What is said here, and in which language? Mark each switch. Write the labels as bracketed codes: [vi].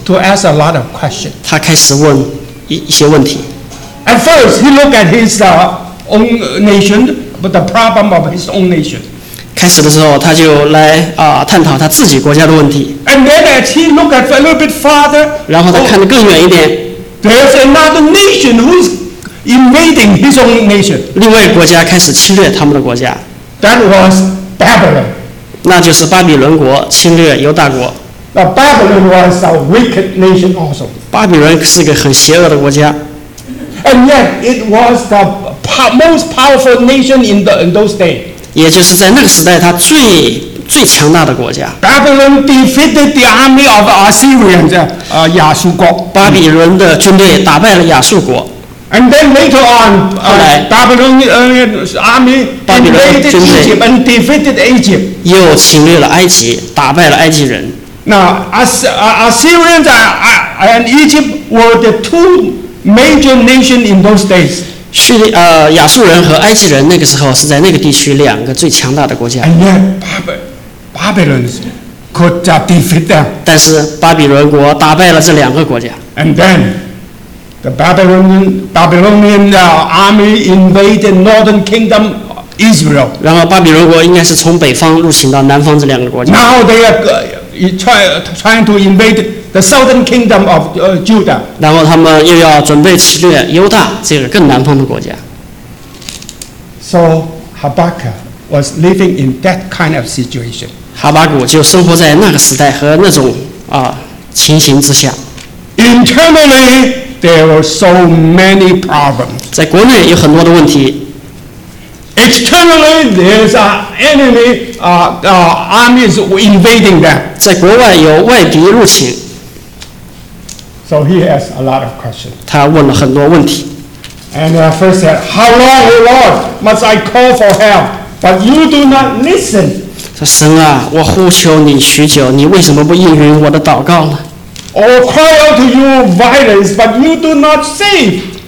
[en] To ask a lot of questions. [zh] 他开始问一些问题。 [en] At first, he looked at his own nation, but the problem of his own nation. [zh] 开始的时候他就来探讨他自己国家的问题。 [en] And then as he looked at a little bit farther, [zh] 然后他看得更远一点。 [en] There's another nation who is invading his own nation. [zh] 另外一个国家开始侵略他们的国家。 [en] That was Babylon. [zh] 那就是巴比伦国侵略犹大国。 [en] Now Babylon was a wicked nation also. [zh] 巴比伦是个很邪恶的国家。 [en] And yet it was the most powerful nation in those days. [zh] 也就是在那个时代他最强大的国家。 [en] Babylon defeated the army of Assyrians, 亚述国。 [zh] 巴比伦的军队打败了亚述国。 [en] And then later on, Babylonian army invaded Egypt and defeated Egypt. [zh] 又侵略了埃及，打败了埃及人。 [en] Now, Assyrians and Egypt were the two major nations in those days. [zh] 亚述人和埃及人那个时候是在那个地区两个最强大的国家。 [en] And yet, Babylon could defeat them. [zh] 但是巴比伦国打败了这两个国家。 [en] And then, the Babylonian army invaded northern kingdom Israel. [zh] 然后巴比伦国应该是从北方入侵到南方这两个国家。 [en] Now they are trying to invade the southern kingdom of Judah. [zh] 然后他们又要准备侵略犹大这个更南方的国家。 [en] So Habakkuk was living in that kind of situation. [zh] 哈巴谷就生活在那个时代和那种情形之下。 [en] Internally, there were so many problems. [zh] 在国内有很多的问题。 [en] Externally, there's an enemy, armies invading them. [zh] 在国外有外敌入侵。 [en] So he has a lot of questions. [zh] 他问了很多问题。 [en] And first said, "How long, O Lord, must I call for help, but you do not listen?" [zh] 说神啊，我呼求你许久，你为什么不应允我的祷告呢 [en] ？Or cry out to you violence, but you do not save.